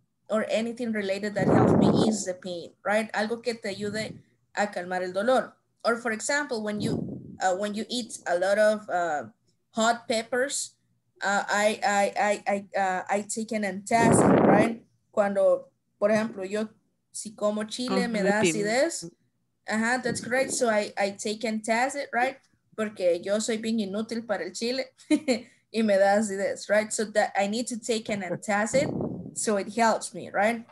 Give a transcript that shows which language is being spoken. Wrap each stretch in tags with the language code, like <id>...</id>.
<en>Or anything related that helps me ease the pain, right?</en> <es>Algo que te ayude a calmar el dolor.</es> <en>Or for example, when you eat a lot of hot peppers, I take an antacid, right?</en> <es>Cuando, por ejemplo, yo si como chile me da acidez. Ajá, uh-huh,</es> <en>that's correct. So I take and test it,</en> <es>right? Porque yo soy bien inútil para el chile y me da acidez, right?</es> <en>So that I need to take an antacid so it helps me, right?</en>